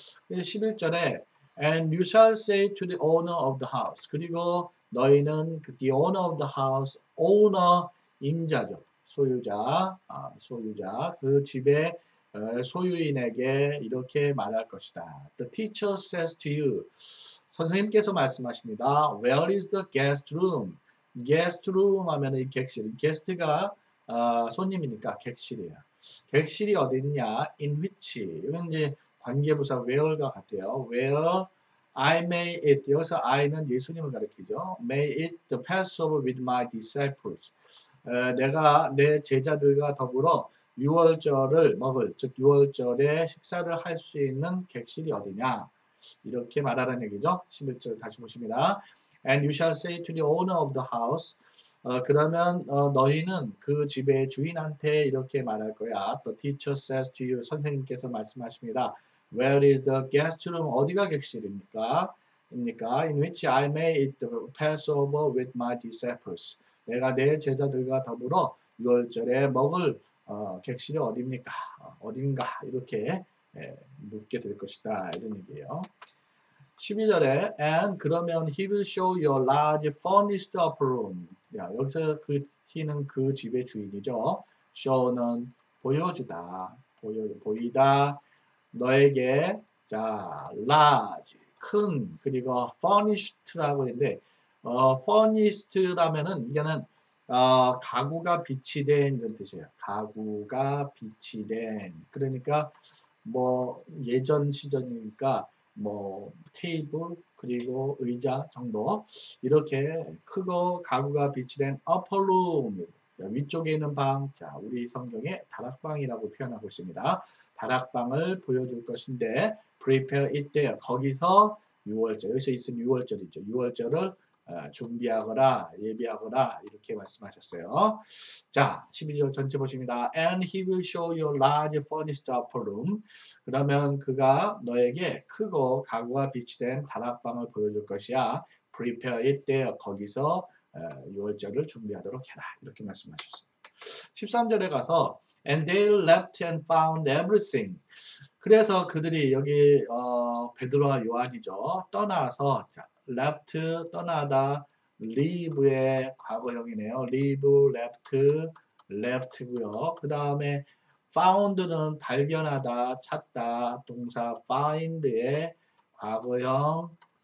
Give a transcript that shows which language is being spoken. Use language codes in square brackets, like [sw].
[ko] 11절에, [en] and you shall say to the owner of the house, [ko] 그리고 너희는 [en] the owner of the house, owner, [ko] 임자죠. 소유자, 그 집에 소유인에게 이렇게 말할 것이다. [en] The teacher says to you. [ko] 선생님께서 말씀하십니다. [en] Where is the guest room? Guest room [ko] 하면은 객실. 게스트가 손님이니까 객실이에요. 객실이 어디 있냐? [en] In which? [ko] 이건 이제 관계부사 where가 같아요. [en] Where I may eat. [ko] 여기서 I는 예수님을 가리키죠. [en] May eat the Passover with my disciples. [ko] 내가 내 제자들과 더불어 유월절을 먹을, 즉 유월절에 식사를 할수 있는 객실이 어디냐 이렇게 말하라는 얘기죠. 11절 다시 보십니다. [en] And you shall say to the owner of the house, [ko] 그러면 너희는 그 집의 주인한테 이렇게 말할 거야. [en] The teacher says to you, [ko] 선생님께서 말씀하십니다. [en] Where is the guest room? [ko] 어디가 객실입니까? 입니까? [en] In which I may eat the Passover with my disciples. [ko] 내가 내 제자들과 더불어 유월절에 먹을 객실이 어딥니까? 어딘가? 이렇게 묻게 될 것이다. 이런 얘기예요. 12절에, [en] And [ko] 그러면 [en] he will show you a large furnished upper room. [ko] 야, 여기서 그 he는 그 집의 주인이죠. show는 보여주다. 보이다. 너에게, 자, large, 큰, 그리고 furnished라고 했는데, furnished라면은 이거는 가구가 비치된 이런 뜻이에요. 가구가 비치된. 그러니까 뭐 예전 시절이니까 뭐 테이블 그리고 의자 정도 이렇게 크고 가구가 비치된 upper room. 위쪽에 있는 방. 자, 우리 성경에 다락방이라고 표현하고 있습니다. 다락방을 보여줄 것인데, [en] prepare it there. [ko] 거기서 유월절, 여기서 있는 유월절이죠. 유월절을 준비하거라, 예비하거라, 이렇게 말씀하셨어요. 자, 12절 전체 보십니다. [en] And he will show you a large furnished upper room. [ko] 그러면 그가 너에게 크고 가구가 비치된 다락방을 보여줄 것이야. [en] Prepare it there. [ko] 거기서 유월절을 준비하도록 해라. 이렇게 말씀하셨어요. 13절에 가서, [en] And they left and found everything. [ko] 그래서 그들이 여기, 베드로와 요한이죠. 떠나서, 자, left, 떠나다, leave의 과거형이네요. leave, left고요. 그 다음에 found는 발견하다, 찾다, 동사 find의 과거형,